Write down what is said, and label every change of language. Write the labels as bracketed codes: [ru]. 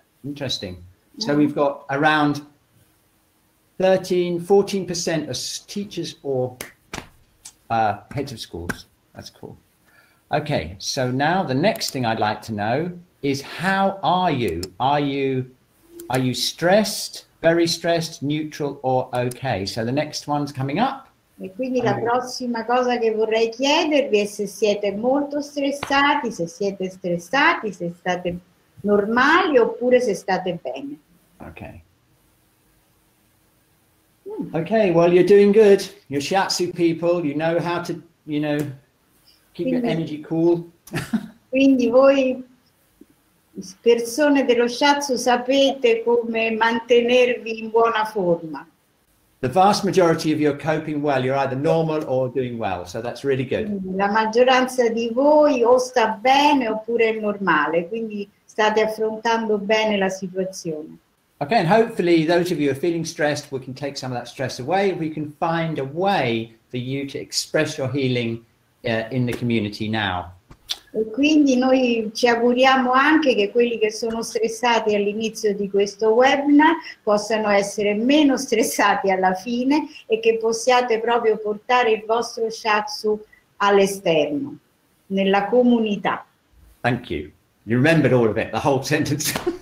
[en] Interesting. So we've got around 14% of teachers or heads of schools. That's cool. Okay, so now the next thing I'd like to know is how are you? Are you stressed, very stressed, neutral, or okay? So the next one's coming up. [it] E quindi la prossima cosa che vorrei chiedervi è se siete molto stressati, se siete stressati, se state normali oppure se state bene. [en] Okay. Okay, well you're doing good. You're shiatsu people, you know how to, you know, keep your energy cool. [it] Quindi voi persone dello shiatsu sapete come mantenervi in buona forma. [en] The vast majority of you are coping well. You're either normal or doing well, so that's really good. [it] La maggioranza di voi o sta bene oppure è normale, quindi state affrontando bene la situazione. [en] Okay, and hopefully those of you who are feeling stressed, we can take some of that stress away. We can find a way for you to express your healing in the community now. [it] E quindi noi ci auguriamo anche che quelli che sono stressati all'inizio di questo webinar possano essere meno stressati alla fine e che possiate proprio portare il vostro shiatsu all'esterno, nella comunità. [en] Thank you. You remembered all of it, the whole sentence.